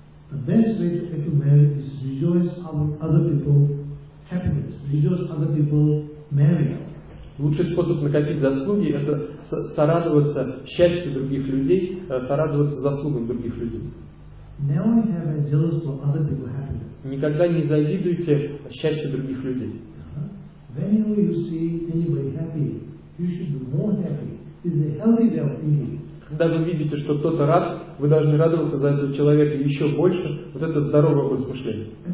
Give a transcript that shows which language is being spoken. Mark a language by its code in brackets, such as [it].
[en] The best way to get married is rejoice other people's happiness, rejoice other people's merit. [ru] Лучший способ накопить заслуги – это сорадоваться счастью других людей, сорадоваться заслугам других людей. [en] Never have a jealousy for other people's happiness. [ru] Никогда не завидуйте счастью других людей. [en] Whenever you see anybody happy, you should be more happy. It's a healthy way of thinking. [ru] Когда вы видите, что кто-то рад, вы должны радоваться за этого человека еще больше. Вот это здоровое размышление.